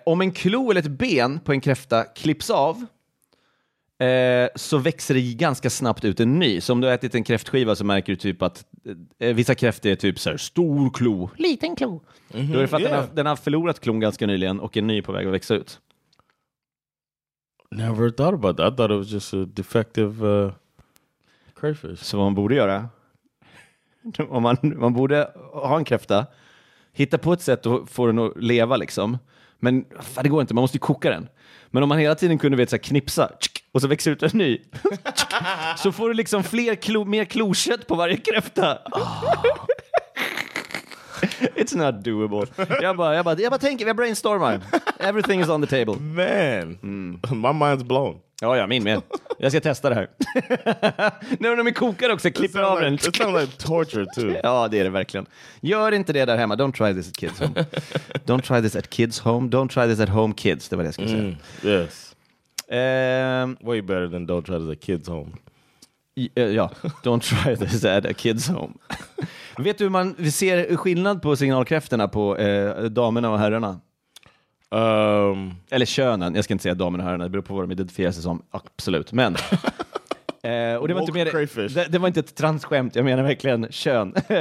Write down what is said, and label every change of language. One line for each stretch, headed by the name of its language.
Swedish: Om en klo eller ett ben på en kräfta klipps av, så växer det ganska snabbt ut en ny. Så om du har ätit en kräftskiva så märker du typ att vissa kräftor är typ så här stor klo, liten klo. Mm-hmm. Då är det för att den har förlorat klon ganska nyligen och en ny på väg att växa ut.
English: Never thought about that. I thought it was just a defective crayfish.
Swedish: Så vad man borde göra, om man borde ha en kräfta, hitta på ett sätt att få den att leva liksom. Men fan, det går inte, man måste ju koka den. Men om man hela tiden kunde, vet, så här, knipsa och så växer ut en ny, så får du liksom fler mer klokött på varje kräfta.
English: It's not doable.
Swedish: Jag bara tänker, jag brainstormar.
English: Everything is on the table. Man, my mind's blown.
Swedish: Oh, ja, min med. Jag ska testa det här. När de kokar också, klipper av den.
English: It sounds like torture too.
Swedish: Ja, det är det verkligen. Gör inte det där hemma.
English: Don't try this at kids home. Don't try this at kids home. Don't try this at home kids.
Swedish: Det var det jag skulle säga.
English: Yes. Way better than don't try this at kids home. Ja, don't try this at a kids home.
Swedish: Vet du hur man ser skillnad på signalkräfterna på damerna och herrarna? Eller könen, jag ska inte säga damerna och herrarna, det beror på vad de identifierar sig som, absolut. Men och det var inte mer, det var inte ett transskämt, jag menar verkligen kön.